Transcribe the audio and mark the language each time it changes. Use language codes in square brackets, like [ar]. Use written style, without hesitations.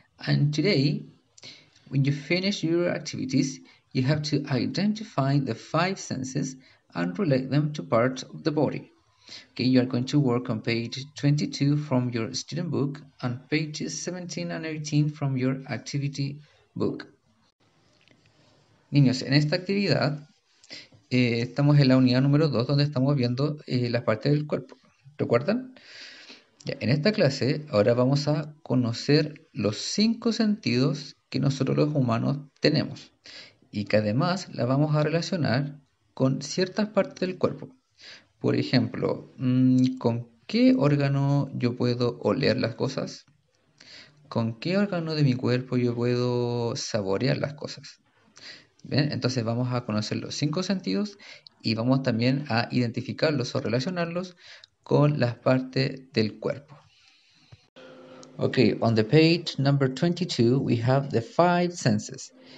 [en] And today, when you finish your activities, you have to identify the five senses and relate them to parts of the body. Okay, you are going to work on page 22 from your student book and pages 17 and 18 from your activity book. [es] Niños, en esta actividad, estamos en la unidad número 2 donde estamos viendo las partes del cuerpo. ¿Recuerdan? Ya, en esta clase ahora vamos a conocer los 5 sentidos que nosotros los humanos tenemos y que además las vamos a relacionar con ciertas partes del cuerpo. Por ejemplo, ¿con qué órgano yo puedo oler las cosas? ¿Con qué órgano de mi cuerpo yo puedo saborear las cosas? Bien, entonces vamos a conocer los 5 sentidos y vamos también a identificarlos o relacionarlos con las partes del cuerpo. [en] Okay, on the page number 22 we have the 5 senses.